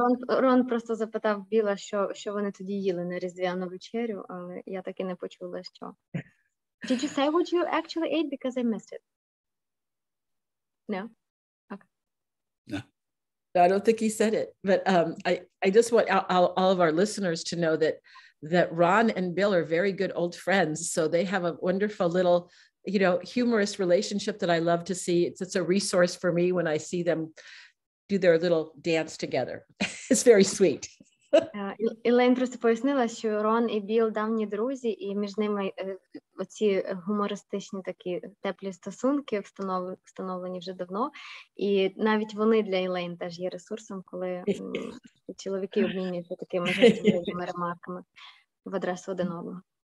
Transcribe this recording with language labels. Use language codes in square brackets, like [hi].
[uk] Рон просто запитав Біла, що вони тоді їли на різдвяну вечерю, але я так і не почула, що. [en] Did you say what you actually ate because I missed it? No? Okay. No. I don't think he said it, but I just want all of our listeners to know that Ron and Bill are very good old friends, so they have a wonderful little, you know, humorous relationship that I love to see. It's a resource for me when I see them do their little dance together. It's very sweet. [uk] Елен просто пояснила, що Рон і Біл давні друзі, і між ними оці гумористичні такі теплі стосунки встановлені вже давно. І навіть вони для Елен теж є ресурсом, коли чоловіки обмінюються такими жартівними ремарками в адресу один одного.